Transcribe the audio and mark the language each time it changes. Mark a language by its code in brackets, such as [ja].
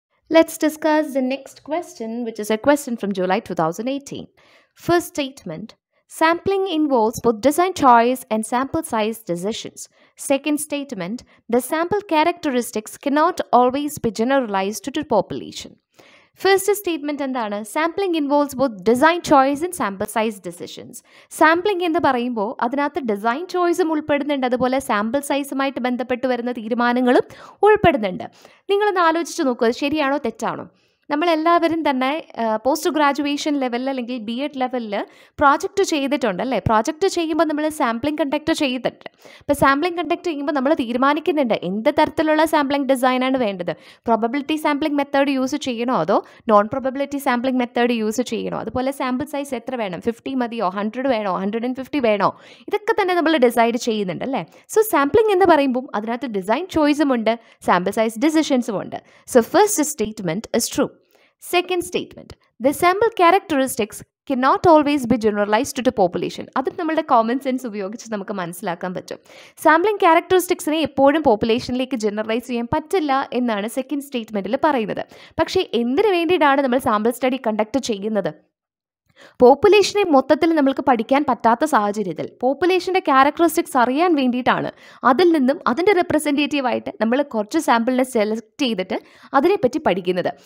[en] Let's discuss the next question, which is a question from July 2018. First statement, sampling involves both design choice and sample size decisions. Second statement, the sample characteristics cannot always be generalized to the population. First statement എന്താണ്, sampling involves both design choice and sample size decisions. [ml] Sampling എന്ന് പറയുമ്പോൾ അതിനകത്ത് design ചോയ്സും ഉൾപ്പെടുന്നുണ്ട്, അതുപോലെ sample സൈസുമായിട്ട് ബന്ധപ്പെട്ട് വരുന്ന തീരുമാനങ്ങളും ഉൾപ്പെടുന്നുണ്ട്. നിങ്ങളൊന്ന് ആലോചിച്ച് നോക്കുക, അത് ശരിയാണോ തെറ്റാണോ. നമ്മളെല്ലാവരും തന്നെ പോസ്റ്റ് ഗ്രാജുവേഷൻ ലെവലിൽ അല്ലെങ്കിൽ ബി എഡ് ലെവലിൽ പ്രോജക്റ്റ് ചെയ്തിട്ടുണ്ട് അല്ലേ. പ്രോജക്റ്റ് ചെയ്യുമ്പോൾ നമ്മൾ സാമ്പിളിംഗ് കണ്ടക്ട് ചെയ്തിട്ട്, ഇപ്പോൾ സാമ്പിളിംഗ് കണ്ടക്ട് ചെയ്യുമ്പോൾ നമ്മൾ തീരുമാനിക്കുന്നുണ്ട് എന്ത് തരത്തിലുള്ള സാമ്പിളിംഗ് ഡിസൈനാണ് വേണ്ടത്. പ്രോബബിലിറ്റി സാമ്പിളിംഗ് മെത്തേഡ് യൂസ് ചെയ്യണോ അതോ non probability sampling method use ചെയ്യണോ, അതുപോലെ സാമ്പിൾ സൈസ് എത്ര വേണം, 50 മതിയോ, 100 വേണോ, 150 വേണോ, ഇതൊക്കെ തന്നെ നമ്മൾ ഡിസൈഡ് ചെയ്യുന്നുണ്ട് അല്ലേ. സോ സാമ്പിളിംഗ് എന്ന് പറയുമ്പോൾ അതിനകത്ത് ഡിസൈൻ ചോയ്സും ഉണ്ട്, സാമ്പിൾ സൈസ് ഡിസിഷൻസും ഉണ്ട്. [en] So first statement is true. Second statement, the sample characteristics cannot always be generalized to the population. [ml] അതും നമ്മളുടെ കോമൺ സെൻസ് ഉപയോഗിച്ച് നമുക്ക് മനസ്സിലാക്കാൻ പറ്റും. സാമ്പിളിംഗ് ക്യാരക്ടറിസ്റ്റിക്സിനെ എപ്പോഴും പോപ്പുലേഷനിലേക്ക് ജനറലൈസ് ചെയ്യാൻ പറ്റില്ല എന്നാണ് സെക്കൻഡ് സ്റ്റേറ്റ്മെൻറ്റിൽ പറയുന്നത്. പക്ഷേ എന്തിനു വേണ്ടിയിട്ടാണ് നമ്മൾ സാമ്പിൾ സ്റ്റഡി കണ്ടക്ട് ചെയ്യുന്നത്? പോപ്പുലേഷനെ മൊത്തത്തിൽ നമ്മൾക്ക് പഠിക്കാൻ പറ്റാത്ത സാഹചര്യത്തിൽ പോപ്പുലേഷൻ്റെ ക്യാരക്ടറിസ്റ്റിക്സ് അറിയാൻ വേണ്ടിയിട്ടാണ് അതിൽ നിന്നും അതിൻ്റെ റെപ്രസെൻറ്റേറ്റീവായിട്ട് നമ്മൾ കുറച്ച് സാമ്പിളിനെ സെലക്ട് ചെയ്തിട്ട് അതിനെപ്പറ്റി പഠിക്കുന്നത്.